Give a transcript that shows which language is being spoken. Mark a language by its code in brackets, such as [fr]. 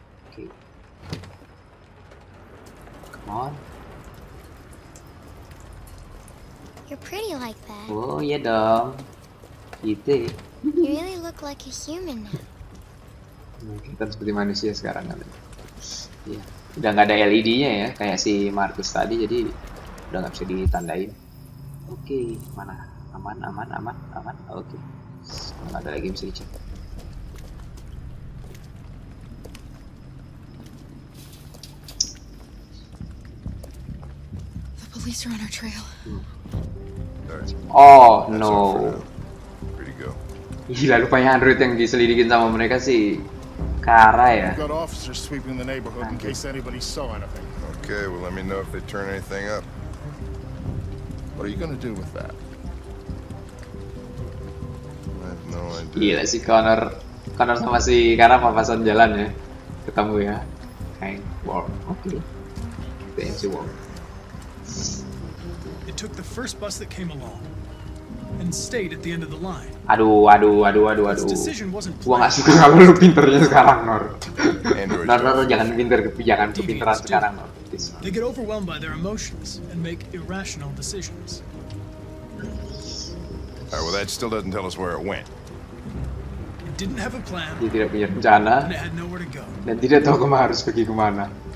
[en] Okay. Come on. You're pretty like that. [id] Oh yeah, dong. Gitu. [en] You really look like a human now. [id] Kita seperti manusia sekarang kan. Ya, udah nggak ada LED-nya ya, kayak si Marcus tadi, jadi udah nggak bisa ditandain. Oke, mana? Aman. Oke. Nggak ada lagi bisa dicek. [en] The police are on our trail. [id] Oh no. Gila, rupanya android yang diselidikin sama mereka sih. Kara ya. [en] We've got officers sweeping the neighborhood in case anybody saw anything. Okay, well let me know if they turn anything up. What are you gonna do with that? I have no idea. [id] Gila si Connor. Connor sama si Kara papasan jalan ya. Ketemu ya. Hank Wall. Okay. Thank you, Wall. [en] It took the first bus that came along and stayed at the end of the line. [id] Aduh. Gua enggak suka kalau lu pinternya sekarang, Nor. Nor, jangan pinter, jangan kepintaran sekarang, Nor. [en] They get overwhelmed by their emotions and make irrational decisions. All right, well that still doesn't tell us where it went. It didn't have a plan. [id] Dia tidak punya rencana. [en] And it had nowhere to go. [id] Dan tidak tahu kemana harus pergi kemana.